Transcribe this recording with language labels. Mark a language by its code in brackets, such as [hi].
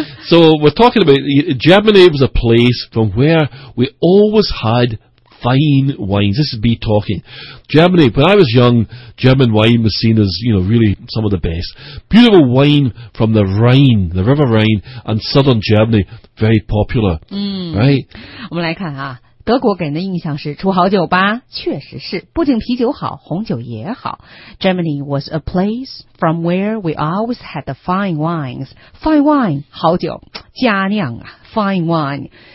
[en] So we're talking about, Germany was a place from where we always had fine wines. This is me talking. Germany, when I was young, German wine was seen as, you know, really some of the best. Beautiful wine from the Rhine, the River Rhine, and southern Germany, very popular. Right? [zh] 我们来看啊，德国给人的印象是出好酒吧，确实是，不仅啤酒好，红酒也好。 [en] Germany was a place from where we always had the fine wines. Fine wine, [zh] 好酒，佳酿啊 [en] ,fine wine.